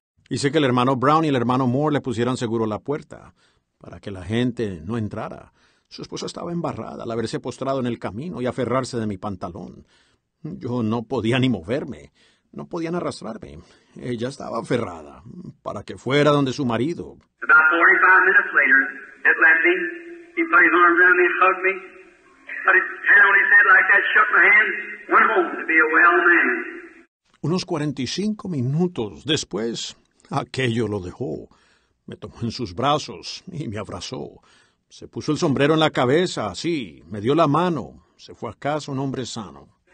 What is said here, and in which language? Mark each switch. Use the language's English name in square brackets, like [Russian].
[Spanish] Hice que el hermano Brown y el hermano Moore le pusieran seguro la puerta para que la gente no entrara. Su esposa estaba embarrada al haberse postrado en el camino y aferrarse de mi pantalón. Yo no podía ni moverme. No podían arrastrarme. Ella estaba aferrada para que fuera donde su marido. [English] About 45 minutes later, it left me. He put his arms around me and hugged me. Put his hand on his head like that, shook my hand, went home to be a well man. [Spanish] Unos 45 minutos después, aquello lo dejó. Me tomó en sus brazos y me abrazó. Se puso el sombrero en la cabeza, sí, me dio la mano. Se fue a casa un hombre sano.